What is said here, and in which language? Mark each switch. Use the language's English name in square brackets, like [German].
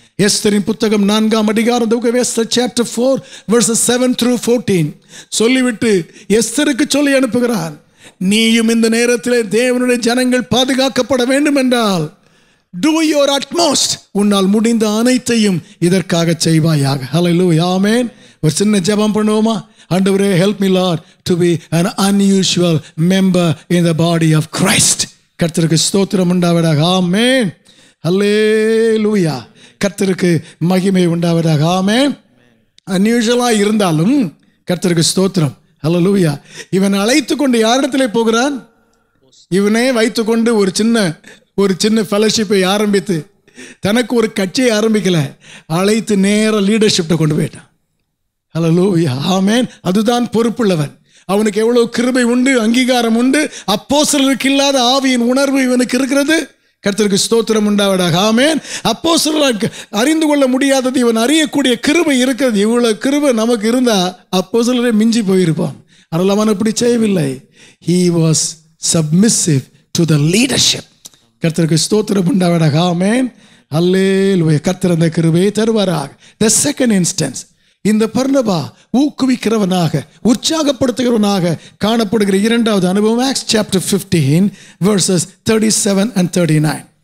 [Tamil] எஸ்தரின் புத்தகம் 4 [English] chapter 4 verses 7 through 14 [Tamil] சொல்லிவிட்டு எஸ்தருக்கு சொல்லி அனுப்புகிறான், நீயும் இந்த நேரத்தில் தேவனுடைய ஜனங்கள் பாதுகாக்கப்பட வேண்டும் என்றால் [English] do your utmost, [Tamil] உன்னால் முடிந்த அனைத்தையும் இதற்காக செய்வாயாக. ஹல்லேலூயா, ஆமென். ஒரு சின்ன ஜெபம் பண்ணுவோமா? [English] ஆண்டவரே, help me lord to be an unusual member in the body of Christ. [Tamil] கர்த்தருக்கு ஸ்தோத்திரம் உண்டாவதாக, ஆமென். ஹல்லேலூயா. கர்த்தருக்கு மகிமை உண்டாவதாக, ஆமென். அன்யூஷுவலாக இருந்தாலும் கர்த்தருக்கு ஸ்தோத்திரம், ஹல்லேலூயா. இவன் அழைத்து கொண்டு யாரிடத்துல போகிறான்? இவனே வைத்து கொண்டு ஒரு சின்ன ஃபெலோஷிப்பை ஆரம்பித்து தனக்கு ஒரு கட்சியை ஆரம்பிக்கலை, அழைத்து நேர லீடர்ஷிப்பை கொண்டு போயிட்டான். ஹல்லேலூயா, ஆமென். அதுதான் பொறுப்புள்ளவன். அவனுக்கு எவ்வளவு கிருபை உண்டு, அங்கீகாரம் உண்டு, அப்போஸ்தலருக்கு இல்லாத ஆவியின் உணர்வு இவனுக்கு இருக்கிறது. கர்த்தருக்கு ஸ்தோத்திரம் உண்டாவதாக, ஆமேன். அப்போஸ்தலருக்கு அறிந்து கொள்ள முடியாதது இவன் அறியக்கூடிய கிருபை இருக்கிறது. இவ்வளவு கிருபை நமக்கு இருந்தா அப்போஸ்தலரே மிஞ்சி போயிருப்பான். அதனால அவன் அப்படி செய்யவில்லை. [English] He was submissive to the leadership. [Tamil] கர்த்தருக்கு ஸ்தோத்திரம் உண்டாவதாக, ஆமேன். அல்லேலூயா. கர்த்தர் அந்த கிருபையை தருவாராக. [English] The second instance, [Tamil] இந்த பர்னபா ஊக்குவிக்கிறவனாக, உற்சாகப்படுத்துகிறவனாக காணப்படுகிற இரண்டாவது அனுபவம் [English] Acts chapter 15 verses 37 and 39.